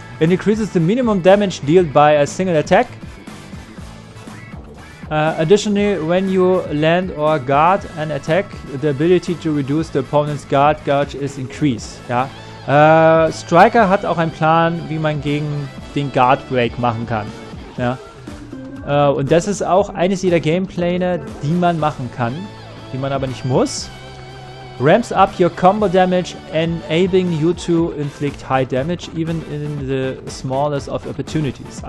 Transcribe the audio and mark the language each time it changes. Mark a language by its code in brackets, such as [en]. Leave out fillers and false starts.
[en] It increases the minimum damage dealt by a single attack. Additionally, when you land or guard an attack, the ability to reduce the opponent's guard gauge is increased. [de] Ja? Striker hat auch einen Plan, wie man gegen den Guard Break machen kann. Ja? Und das ist auch eines jeder Gameplane, die man machen kann, die man aber nicht muss. [en] Ramps up your combo damage, enabling you to inflict high damage, even in the smallest of opportunities.